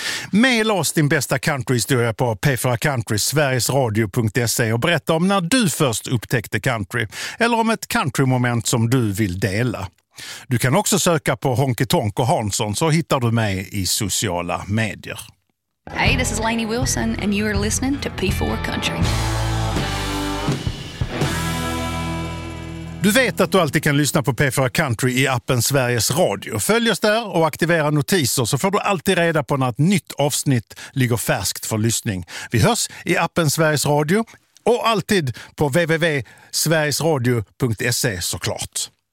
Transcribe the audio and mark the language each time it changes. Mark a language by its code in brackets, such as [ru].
[sv] Mail oss din bästa countryhistoria på p4country@sverigesradio.se och berätta om när du först upptäckte country eller om ett countrymoment som du vill dela. Du kan också söka på Honky Tonk och Hansson så hittar du mig i sociala medier. [en] Hey, this is Lainey Wilson and you are listening to P4 Country. [sv] Du vet att du alltid kan lyssna på P4 Country i appen Sveriges Radio. Följ oss där och aktivera notiser så får du alltid reda på när ett nytt avsnitt ligger färskt för lyssning. Vi hörs i appen Sveriges Radio och alltid på www.sverigesradio.se såklart.